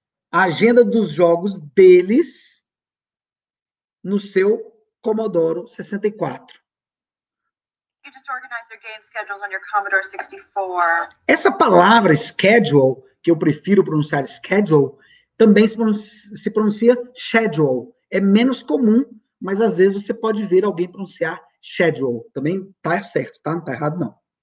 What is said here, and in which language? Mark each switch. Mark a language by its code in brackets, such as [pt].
[pt] A agenda dos jogos deles no seu Commodore 64. [en] You just organized their game schedules on your Commodore 64. [pt] Essa palavra schedule, que eu prefiro pronunciar schedule, também se pronuncia schedule. É menos comum, mas às vezes você pode ver alguém pronunciar schedule. Também tá certo, tá? Não tá errado, não.